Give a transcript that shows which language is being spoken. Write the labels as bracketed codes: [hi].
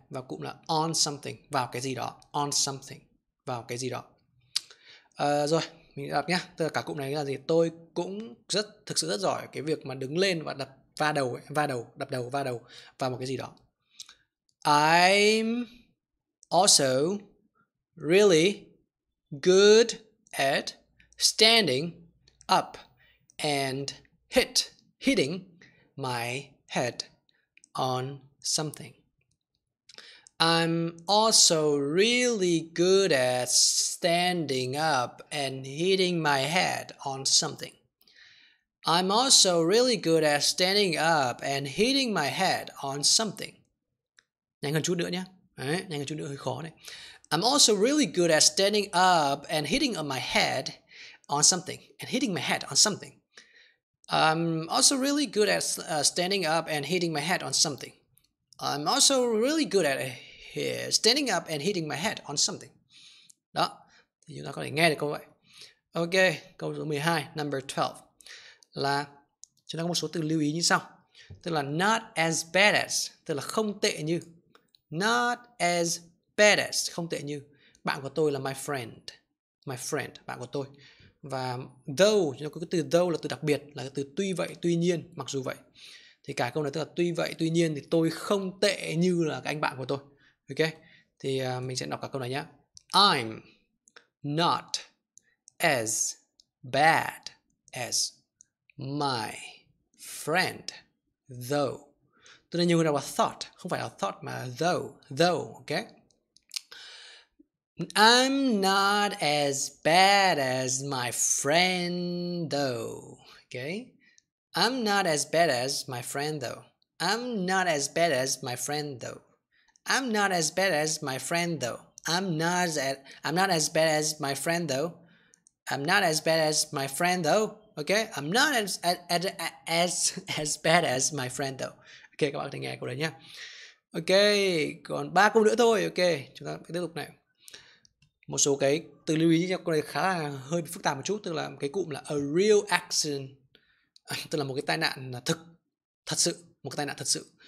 [vi] Và cụm là [en] on something, [vi] vào cái gì đó. [en] On something, [vi] vào cái gì đó. Rồi mình đọc nhá, tức là cả cụm này là gì. Tôi cũng rất, thực sự rất giỏi cái việc mà đứng lên và đập va đầu ấy, va đầu, đập đầu, va đầu vào một cái gì đó. [en] I'm also really good at standing up and hitting my head on something. I'm also really good at standing up and hitting my head on something. I'm also really good at standing up and hitting my head on something. [vi] Nhanh hơn chút nữa nhé. Đấy, nhanh hơn chút nữa hơi khó này. [en] I'm also really good at standing up and hitting my head on something. And hitting my head on something. I'm also really good at standing up and hitting my head on something. I'm also really good at standing up and hitting my head on something. [vi] Đó. Thì chúng ta có thể nghe được câu vậy. Ok. Câu số 12. [en] Number 12. [vi] Là chúng ta có một số từ lưu ý như sau. Tức là [en] not as bad as. [vi] Tức là không tệ như. [en] Not as bad as, [vi] không tệ như. Bạn của tôi là [en] my friend. My friend, [vi] bạn của tôi. Và though, chúng ta có cái từ though là từ đặc biệt, là từ tuy vậy, tuy nhiên, mặc dù vậy. Thì cả câu này tức là tuy vậy, tuy nhiên thì tôi không tệ như là cái anh bạn của tôi. Ok, thì mình sẽ đọc cả câu này nhé. [en] I'm not as bad as my friend though. [vi] Tôi nên nhiều người đọc là thought, không phải là thought mà though, okay? [en] I'm not as bad as my friend though, okay? I'm not as bad as my friend though. I'm not as bad as my friend though. I'm not as bad as my friend though. I'm not as bad as my friend though. I'm not as bad as my friend though. Okay, I'm not as bad as my friend though. [vi] Ok, các bạn có thể nghe câu đấy nhé. Ok, còn 3 câu nữa thôi. Ok, chúng ta tiếp tục này. Một số cái từ lưu ý cho câu này khá là hơi phức tạp một chút. Tức là cái cụm là [en] a real accident, [vi] tức là một cái tai nạn thực, thật sự, một cái tai nạn thật sự.